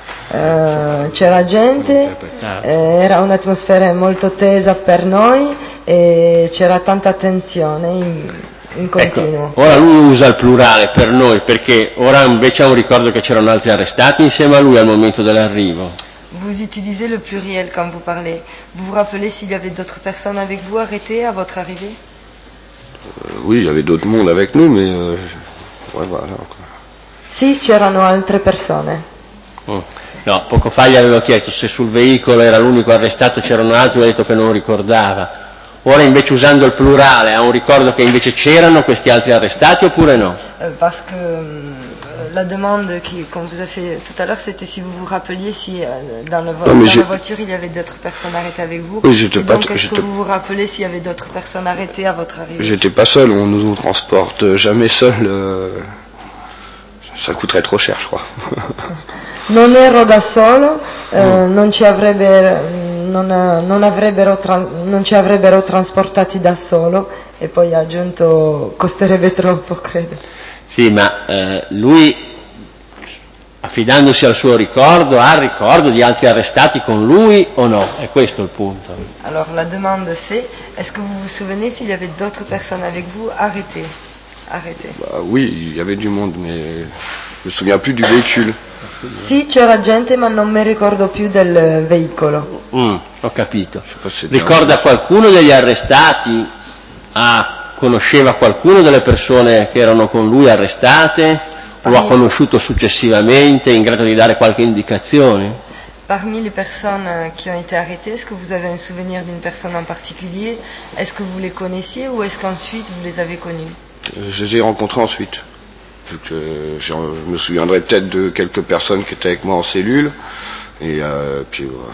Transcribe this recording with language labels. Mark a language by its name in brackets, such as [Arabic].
[Italian] C'era gente, era un'atmosfera molto tesa per noi e c'era tanta tensione in continuo. Ecco, ora lui usa il plurale per noi, perché ora invece ha un ricordo che c'erano altri arrestati insieme a lui al momento dell'arrivo. [French] Vous utilisez le pluriel quand vous parlez. Vous vous rappelez s'il y avait d'autres personnes avec vous arrêtées à votre arrivée? Oui, il y avait d'autres monde avec nous, mais ouais, voilà. [Italian] Sì, c'erano altre persone. No, poco fa gli avevo chiesto se sul veicolo era l'unico arrestato, c'erano altri, mi ha detto che non ricordava. Ora invece usando il plurale ha un ricordo che invece c'erano questi altri arrestati oppure no? [French] Parce que [Italian] la domanda che [French] qu'on vous a fait tout à l'heure c'était si vous vous rappeliez si dans la voiture il y avait d'autres personnes arrêtées avec vous. Oui, j'étais pas seul. Est-ce que vous vous rappelez s'il y avait d'autres personnes arrêtées à votre arrivée? J'étais pas seul, on nous transporte jamais seul. Ça coûterait trop cher, je crois. [Italian] Non ero da solo, non ci avrebbero trasportati da solo e poi ha aggiunto costerebbe troppo, credo. Sì, ma lui affidandosi al suo ricordo ha il ricordo di altri arrestati con lui o no? È questo il punto. Allora la domanda è: [French] est-ce que vous vous souvenez s'il y avait d'autres personnes avec vous arrêtées? Arrêtées. Bah oui, il y avait du monde mais je me souviens plus du véhicule. [Italian] Sì, c'era gente, ma non mi ricordo più del veicolo. Ho capito. Ricorda qualcuno degli arrestati? Conosceva qualcuno delle persone che erano con lui arrestate? O ha conosciuto successivamente, in grado di dare qualche indicazione? [French] Parmi les personnes qui ont été arrêtées, est-ce que vous avez un souvenir d'une personne en particulier? Est-ce que vous les connaissiez ou est-ce qu'ensuite vous les avez connues? Je les ai rencontrées ensuite. Vu que je me souviendrai peut-être de quelques personnes qui étaient avec moi en cellule. Et puis, ouais.